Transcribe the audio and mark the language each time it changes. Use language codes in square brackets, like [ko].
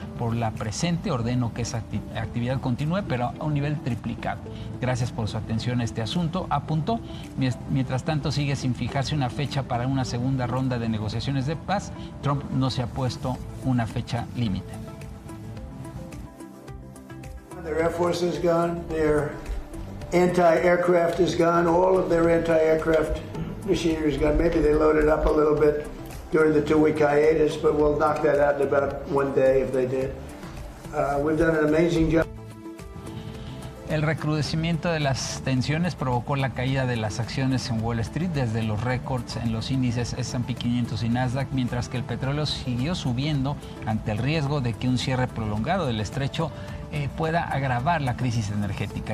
[es] Por la presente, ordeno que esa actividad continúe, pero a un nivel triplicado. Gracias por su atención a este asunto, apuntó. Mientras tanto, sigue sin fijarse una fecha para una segunda ronda de negociaciones de paz. Trump no se ha puesto una fecha límite. [en] Their Air Force is gone, their anti-aircraft is gone, all of their anti-aircraft machinery is gone. Maybe they loaded up a little bit during the two-week hiatus, but we'll knock that out in about one day if they did. We've done an amazing job. [es] El recrudecimiento de las tensiones provocó la caída de las acciones en Wall Street desde los récords en los índices S&P 500 y Nasdaq, mientras que el petróleo siguió subiendo ante el riesgo de que un cierre prolongado del estrecho pueda agravar la crisis energética.